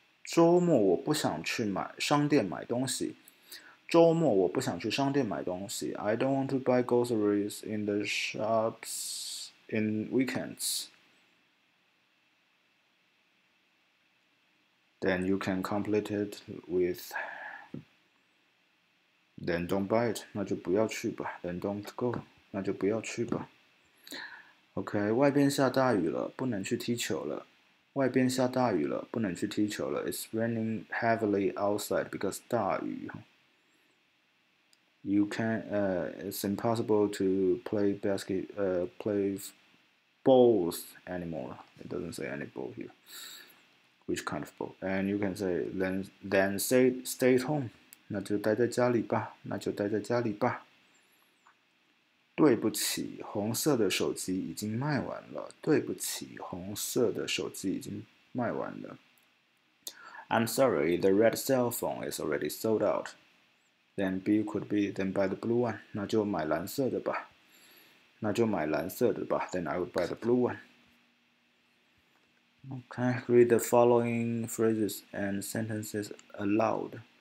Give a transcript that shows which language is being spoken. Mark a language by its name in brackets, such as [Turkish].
[Chinese] 周末我不想去买商店买东西。周末我不想去商店买东西。 [English] I don't want to buy groceries in the shops in weekends. Then you can complete it with... Then don't buy it. [Chinese] 那就不要去吧。 [English] Then don't go. 那就不要去吧。 OK, [Chinese] 外边下大雨了，不能去踢球了。外边下大雨了，不能去踢球了。 [English] It's raining heavily outside because 大雨。 You can, it's impossible to play basket, play balls anymore. It doesn't say any ball here. Which kind of ball? And you can say, then stay at home. [Chinese] 那就待在家里吧，那就待在家里吧。对不起，红色的手机已经卖完了。对不起，红色的手机已经卖完了。 [English] I'm sorry, the red cell phone is already sold out. Then B could be then buy the blue one. [Chinese] 那就买蓝色的吧。那就买蓝色的吧。 [English] Then I would buy the blue one. Okay, read the following phrases and sentences aloud.